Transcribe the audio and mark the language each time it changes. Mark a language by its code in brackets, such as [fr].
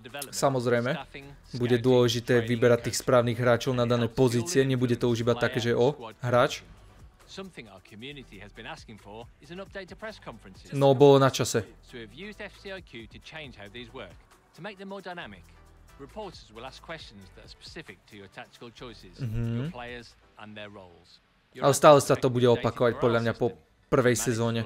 [sk] Samozrejme, bude dôležité vyberať tých správnych hráčov na dané pozície, nebude to už iba také, že o, hráč. [en] Something our community has been asking for is an update to press conferences. [sk] No, bolo na čase. [en] So we've used FCIQ to change how these work, to make them more dynamic. Reporters will ask questions that are specific to your tactical choices, your players and their roles. [sk] Ale stále sa to bude opakovať, podľa mňa, po prvej sezóne.